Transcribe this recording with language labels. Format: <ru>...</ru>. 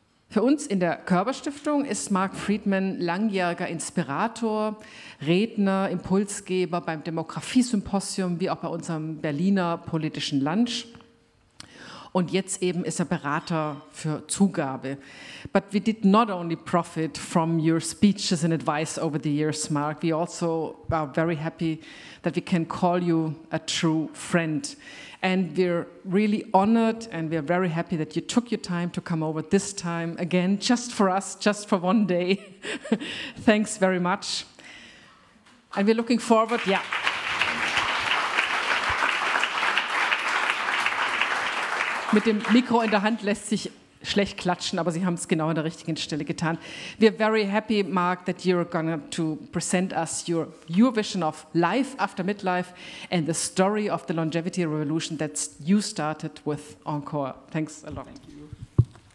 <de>Für uns in der Körber-Stiftung ist Marc Freedman langjähriger Inspirator, Redner, Impulsgeber beim Demografie-Symposium wie auch bei unserem Berliner politischen Lunch. Und jetzt eben ist er Berater für Zugabe.</de> <en>But we did not only profit from your speeches and advice over the years, Marc. We also are very happy that we can call you a true friend. And we're really honored and we're very happy that you took your time to come over this time again, just for us, just for one day. Thanks very much. And we're looking forward, yeah.</en> <de>Mit dem Mikro in der Hand lässt sich schlecht klatschen, aber Sie haben es genau an der richtigen Stelle getan.</de> <en>We're very happy, Marc, that you're going to present us your vision of life after midlife and the story of the longevity revolution that you started with Encore. Thanks a lot. Thank you.</en>